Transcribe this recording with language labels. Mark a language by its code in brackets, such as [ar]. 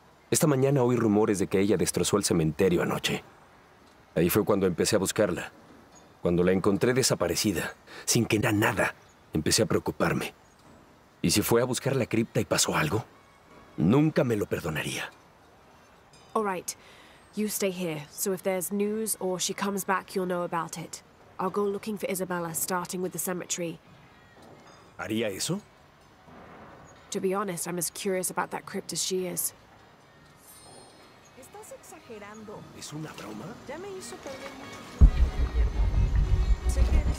[es] Esta mañana oí rumores de que ella destrozó el cementerio anoche. Ahí fue cuando empecé a buscarla. Cuando la encontré desaparecida, sin que era nada, empecé a preocuparme. ¿Y si fue a buscar la cripta y pasó algo? Nunca me lo perdonaría. [en] All right. You stay here, so if there's news or she comes back, you'll know about it. I'll go looking for Isabella, starting with the cemetery. [es] ¿Haría eso? [en] To be honest, I'm as curious about that crypt as she is. [es] ¿Estás exagerando? ¿Es una broma? Ya me hizo perder mucho tiempo. Sé que eres...